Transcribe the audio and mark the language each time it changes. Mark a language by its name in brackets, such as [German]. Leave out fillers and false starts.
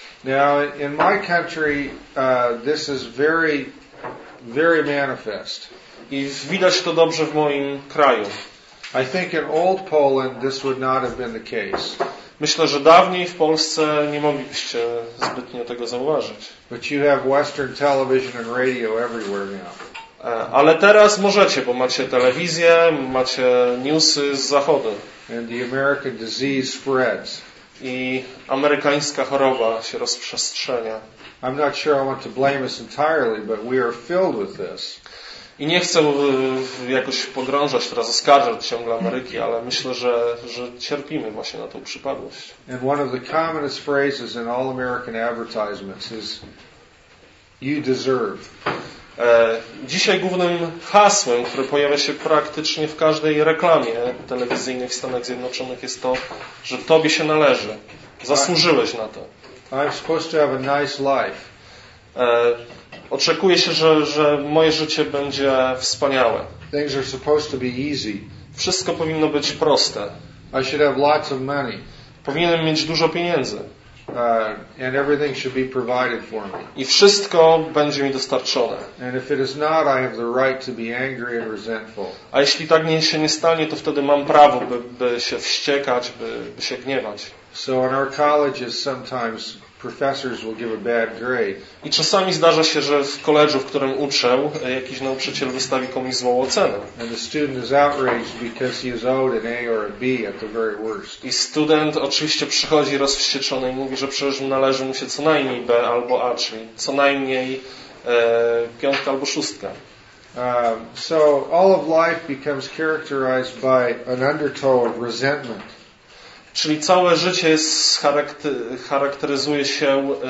[English] Now, in my country, this is very, very manifest. [Polish] I widać to dobrze w moim kraju. [English] I think in old Poland this would not have been the case. [Polish] Myślę, że dawniej w Polsce nie moglibyście zbytnio tego zauważyć. [English] But you have Western television and radio everywhere now. [Polish] Ale teraz możecie, bo macie telewizję, macie newsy z zachodu. [English] And the American disease spreads. [Polish] I amerykańska choroba się rozprzestrzenia. [English] I'm not sure I want to blame us entirely, but we are filled with this. [Polish] I nie chcę jakoś pogrążać teraz, oskarżać ciągle Ameryki, ale myślę, że cierpimy właśnie na tą przypadłość. [English] And one of the commonest phrases in all American advertisements is you deserve. [Polish] Dzisiaj głównym hasłem, które pojawia się praktycznie w każdej reklamie telewizyjnej w Stanach Zjednoczonych, jest to, że tobie się należy. Zasłużyłeś na to. [English] I'm supposed to have a nice life. [Polish] Oczekuje się, że moje życie będzie wspaniałe. [English] Things are supposed to be easy. [Polish] Wszystko powinno być proste. [English] I should have lots of money. [Polish] Powinienem mieć dużo pieniędzy. [English] And everything should be provided for me. [Polish] I wszystko będzie mi dostarczone. [English] And if it is not, I have the right to be angry and resentful. [Polish] A jeśli tak się nie stanie, to wtedy mam prawo, by się wściekać, by się gniewać. [English] So in our colleges sometimes professors will give a bad grade. [Polish] I czasami zdarza się, że w koledżu, w którym uczę, jakiś nauczyciel wystawi komuś złą ocenę. [English] And the student is outraged because he is owed an A or a B at the very worst. [Polish] I student oczywiście przychodzi rozwścieczony i mówi, że przecież należy mu się co najmniej B albo A, czyli co najmniej piątka albo szóstka. [English] So all of life becomes characterized by an undertow of resentment. [Polish] Czyli całe życie jest charakteryzuje się